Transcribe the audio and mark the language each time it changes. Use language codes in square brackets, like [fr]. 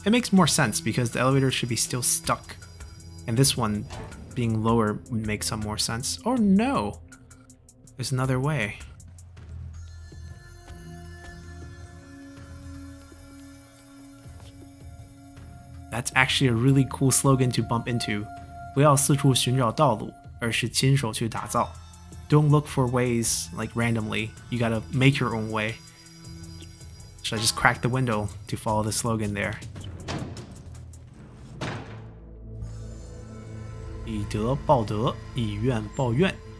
[en] It makes more sense because the elevator should be still stuck. And this one being lower would make some more sense. Or no! There's another way. That's actually a really cool slogan to bump into. [zh] 不要四处寻找道路，而是亲手去打造. [en] Don't look for ways like randomly. You gotta make your own way. Should I just crack the window to follow the slogan there? [zh] 以德报德，以怨报怨.